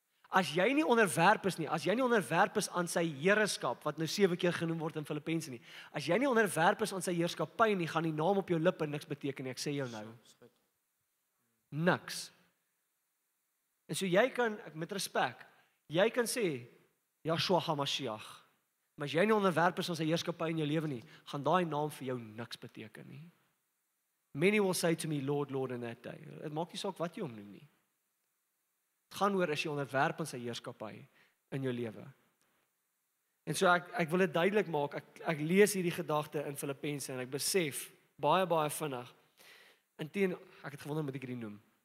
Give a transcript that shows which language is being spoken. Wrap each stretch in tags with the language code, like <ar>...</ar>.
<af>As jy nie onderwerp is nie, as jy nie onderwerp is aan sy heerskap, wat nou 7 keer genoem word in Filippense nie, as jy nie onderwerp is aan sy heerskappy nie, gaan die naam op jou lippe niks beteken nie, ek sê jou nou. Niks. En so jy kan, met respect, jy kan sê, Yahshua HaMashiach, maar as jy nie onderwerp is aan sy heerskappy in jou lewe nie, gaan daai naam vir jou niks beteken nie.</af> <en>Many will say to me, Lord, Lord, in that day.</en> <af>Het maak nie saak wat jy hom noem nie. Het gaan oor as jy onderwerp aan sy heerskappy in jou lewe. En so ek wil dit duidelik maak, ek lees hierdie gedagte in Filippense en ek besef, baie vinnig, Inteen, ek het gewonder met ek hierdie noem.</af>